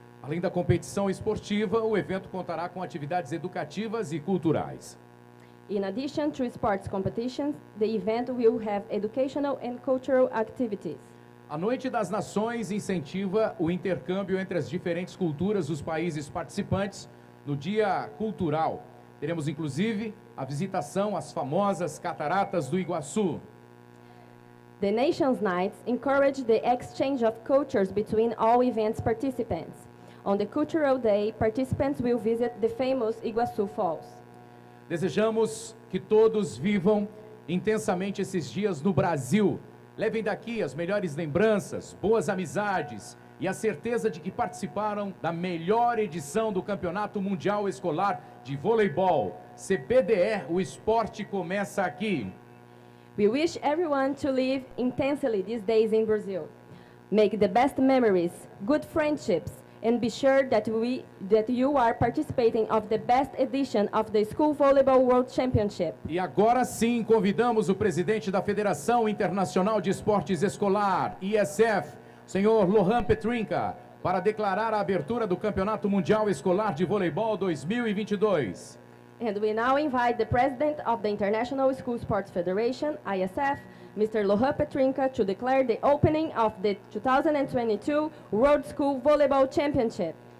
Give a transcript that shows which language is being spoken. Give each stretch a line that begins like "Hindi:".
Portuguese: Além da competição esportiva, o evento contará com atividades educativas e culturais.
English: In addition to sports competitions, the event will have educational and cultural activities.
Portuguese: A Noite das Nações incentiva o intercâmbio entre as diferentes culturas dos países participantes no Dia Cultural. Teremos, inclusive, a visitação às famosas Cataratas do Iguaçu.
English: The Nations Nights encourage the exchange of cultures between all events participants. On the Cultural Day, participants will visit the famous Iguaçu Falls.
Portuguese: Desejamos que todos vivam intensamente esses dias no Brasil. Levem daqui as melhores lembranças, boas amizades e a certeza de que participaram da melhor edição do Campeonato Mundial Escolar de Voleibol. CBDE, o esporte começa aqui.
English: We wish everyone to live intensely these days in Brazil. Make the best memories, good friendships. And be sure that you are participating of the best edition of the School Volleyball World Championship.
Portuguese: E agora sim, convidamos o presidente da Federação Internacional de Esportes Escolar, ISF, senhor Lohan Petrinca, para declarar a abertura do Campeonato Mundial Escolar de Voleibol 2022.
English: And we now invite the president of the International School Sports Federation, ISF, Mr. Lohan Petrinca, to declare the opening of the 2022 World School Volleyball Championship.